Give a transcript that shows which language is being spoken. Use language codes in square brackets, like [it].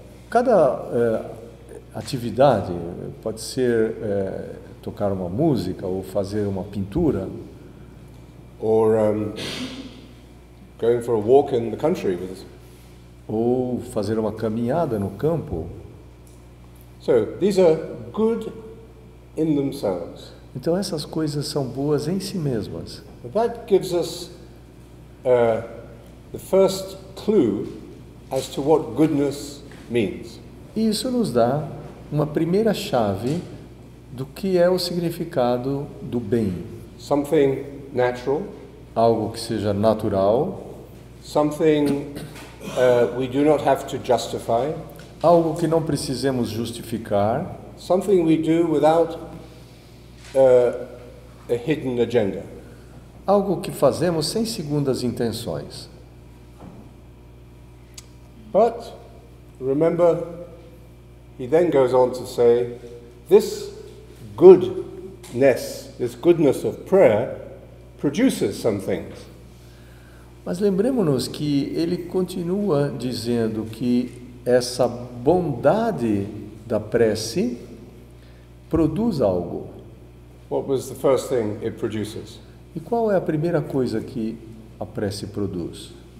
[pt] Cada atividade pode ser tocar uma música ou fazer uma pintura. [en] Or going for a walk in the country with us. [pt] Ou fazer uma caminhada no campo. [en] So these are good in themselves. [pt] Então essas coisas são boas em si mesmas. [en] That gives us the first clue as to what goodness means. [pt] E isso nos dá uma primeira chave do que é o significado do bem. [en] Something natural. [pt] Algo que seja natural. [en] Something we do not have to justify. [pt] Algo que não precisemos justificar. [en] Something we do without a hidden agenda. [pt] Algo que fazemos sem segundas intenções. [en] But remember, he then goes on to say, this goodness, this goodness of prayer produces some things. [pt] Mas lembremos-nos que ele continua dizendo que essa bondade da prece produz algo. [en] What was the first thing it produces? [pt] E qual é a primeira coisa que a prece produz?